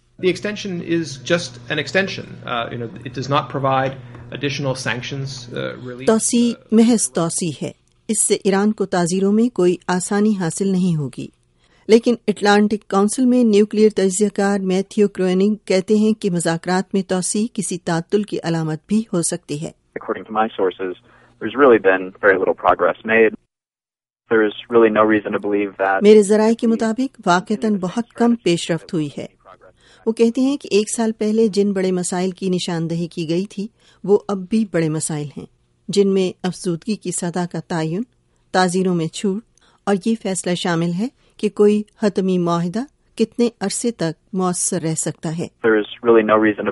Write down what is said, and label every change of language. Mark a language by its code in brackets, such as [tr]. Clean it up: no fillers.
[en] The extension is just an extension. It does not provide additional sanctions relief. [ur] توسیع محض توسیع ہے. اس سے ایران کو تعزیروں میں کوئی آسانی حاصل نہیں ہوگی. لیکن اٹلانٹک کونسل میں نیوکلیئر تجزیہ کار میتھیو کروئننگ کہتے ہیں کہ مذاکرات میں توسیع کسی تعطل کی علامت بھی ہو سکتی ہے. [en] According to my sources, there's really been very little progress made. There's really no reason to believe that. [ur] میرے ذرائع کے مطابق واقعتاً بہت کم پیش رفت ہوئی ہے. وہ کہتے ہیں کہ 1 سال پہلے جن بڑے مسائل کی نشاندہی کی گئی تھی وہ اب بھی بڑے مسائل ہیں، جن میں افسودگی کی سطح کا تعین، تعزیروں میں چھوٹ اور یہ فیصلہ شامل ہے کہ کوئی حتمی معاہدہ کتنے عرصے تک مؤثر رہ سکتا ہے.